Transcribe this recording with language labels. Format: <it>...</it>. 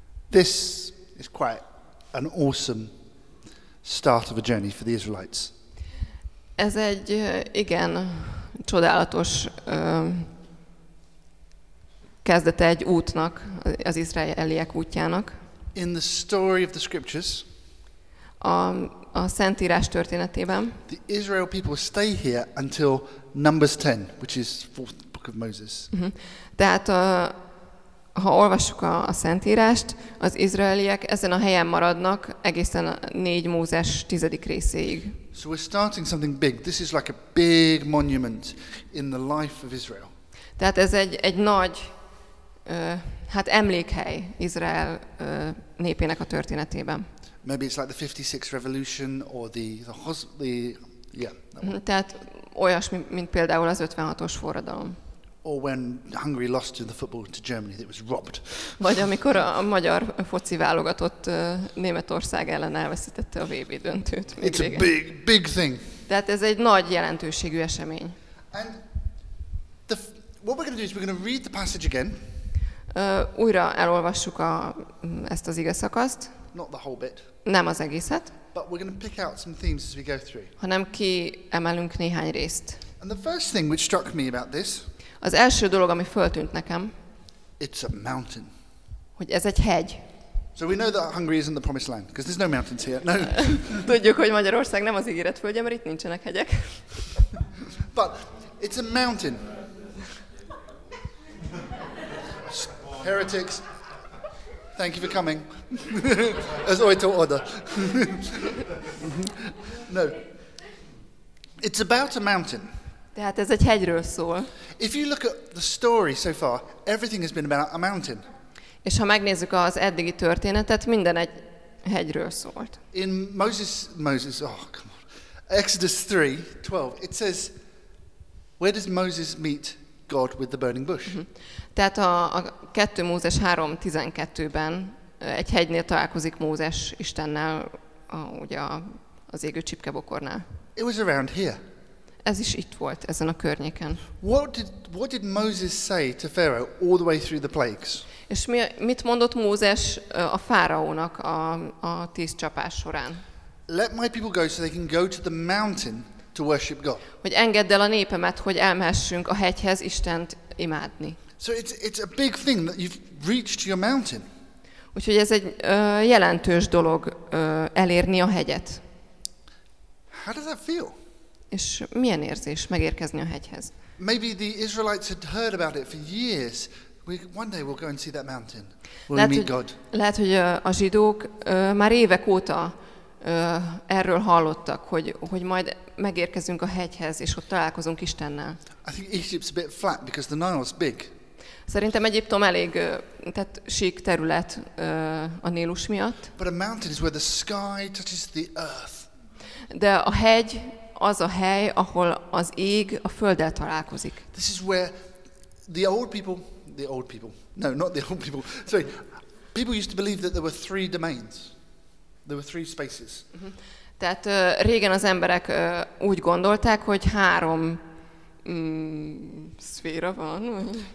<en>This is quite an awesome start of a journey for the Israelites.</en> <hu>Ez egy igen csodálatos kezdete egy útnak, az izraeliek útjának.</hu> <en>In the story of the scriptures,</en> <hu>a Szentírás történetében.</hu> <en>The Israel people stay here until Numbers 10, which is the fourth book of Moses.</en> <hu>Tehát ha olvassuk a Szentírást, az izraeliek ezen a helyen maradnak egészen a 4 Mózes 10. részéig.</hu> <en>So we're starting something big. This is like a big monument in the life of Israel.</en> <hu>Tehát ez egy nagy hát emlékhely Izrael népének a történetében.</hu> <en>Maybe it's like the 56 revolution or the</en> <hu>tehát olyasmi, mint például az 56-os forradalom.</hu> <en>Or when Hungary lost in the football to Germany, it was robbed.</en> <hu>Vagy amikor a magyar foci válogatott Németország ellen elveszítette a VB döntőt.</hu> <en>It's a big, big thing.</en> <hu>Tehát ez egy nagy jelentőségű esemény.</hu> <en>And what we're going to do is we're going to read the passage again.</en> <hu>Újra elolvassuk ezt az ige szakaszt.</hu> <en>Not the whole bit.</en> <hu>Nem az egészet.</hu> <en>But we're going to pick out some themes as we go through.</en> <hu>Hanem kiemelünk néhány részt.</hu> <en>And the first thing which struck me about this.</en> <hu>Az első dolog, ami föltűnt nekem,</hu> <en>it's a mountain.</en> <hu>Hogy ez egy hegy.</hu> <en>So we know that Hungary isn't the promised land, because there's no mountains here. No.</en> <hu>Tudjuk, hogy Magyarország nem az ígéret földje, mert itt nincsenek hegyek.</hu> <en>But it's a mountain. Heretics, thank you for coming. As oito oda. No. It's about a mountain.</en> <hu>Tehát ez egy hegyről szól.</hu> <en>If you look at the story so far, everything has been about a mountain.</en> <hu>És ha megnézzük az eddigi történetet, minden egy hegyről szólt.</hu> <en>In Moses, oh come on, Exodus 3:12, it says, where does Moses meet God with the burning bush?</en> <hu>Tehát a 2 Mózes 3:12-ben egy hegynél találkozik Mózes Istennel ugye az égő csipkebokornál.</hu> <en>It was around here.</en> <hu>Ez is itt volt, ezen a környéken.</hu> <en>What did Moses say to Pharaoh all the way through the plagues?</en> <hu>És mit mondott Mózes a fáraónak a 10 csapás során?</hu> <en>Let my people go so they can go to the mountain to worship God.</en> <hu>Hogy engedd el a népemet, hogy elmehessünk a hegyhez Istent imádni.</hu> <en>So it's a big thing that you've reached your mountain.</en> <hu>Úgyhogy ez egy jelentős dolog elérni a hegyet.</hu> <en>How does that feel?</en> <hu>És milyen érzés megérkezni a hegyhez?</hu> <en>Maybe the Israelites had heard about it for years. One day we'll go and see that mountain. We'll meet God.</en> <hu>Lehet, hogy a zsidók már évek óta erről hallottak, hogy majd megérkezünk a hegyhez, és ott találkozunk Istennel.</hu> <en>I think Egypt's a bit flat because the Nile's big.</en> <hu>Szerintem Egyiptom elég, tehát sík terület a Nílus miatt.</hu> <en>But a mountain is where the sky touches the earth.</en> <hu>De a hegy az a hely, ahol az ég a földdel találkozik.</hu> <en>This is where people used to believe that there were three domains. There were three spaces.</en> <hu>Tehát régen az emberek úgy gondolták, hogy három szféra van.</hu>